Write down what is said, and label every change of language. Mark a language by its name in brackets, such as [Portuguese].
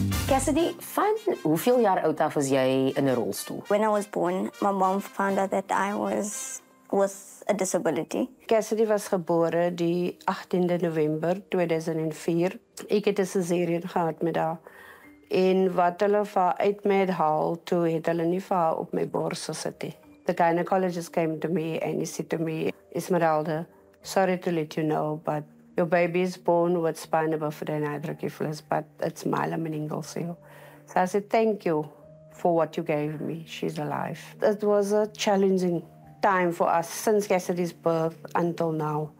[Afrikaans] Cassidy, van hoeveel jaar oud af is jy in 'n rolstoel? [English] When I was born, my mom found out that I was with a disability. [Afrikaans] Cassidy was gebore die 18de November 2004. Ek het 'n cesarean gehad met haar. En wat hulle vir haar uit my het haal, toe het hulle nie vir haar op my bors gesit nie. [English] The gynecologist came to me and he said to me, Esmeralda, sorry to let you know, but your baby is born with spina bifida and hydrocephalus, but it's myelin meningitis. So I said, thank you for what you gave me. She's alive. It was a challenging time for us since Cassidy's birth until now.